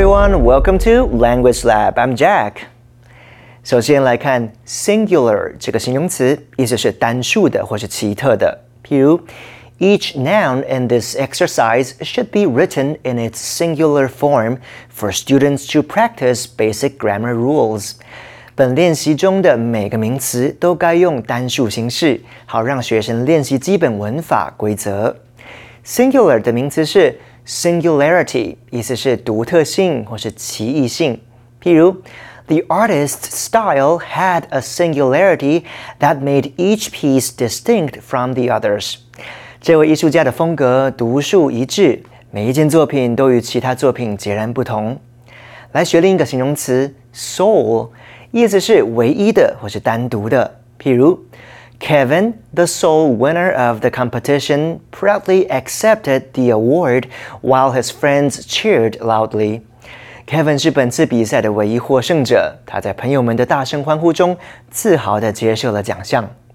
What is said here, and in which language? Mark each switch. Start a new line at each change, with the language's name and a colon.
Chinese: Welcome to Language Lab. I'm Jack. 首先来看 singular 这个形容词，意思是单数的或是奇特的。
English: 譬如，Each noun in this exercise should be written in its singular form for students to practice basic grammar rules.
Chinese: 本练习中的每个名词都该用单数形式，好让学生练习基本文法规则。 Singular 的名词是。Singularity, 意思是独特性或是奇异性。
English: 譬如 The artist's style had a singularity that made each piece distinct from the others.
Chinese: 这位艺术家的风格独树一帜，每一件作品都与其他作品截然不同。来学另一个形容词 soul, 意思是唯一的或是单独的。
English: 譬如 Kevin, the sole winner of the competition, proudly accepted the award while his friends cheered loudly.
Chinese: Kevin 是本次比赛的唯一获胜者，他在朋友们的大声欢呼中自豪地接受了奖项。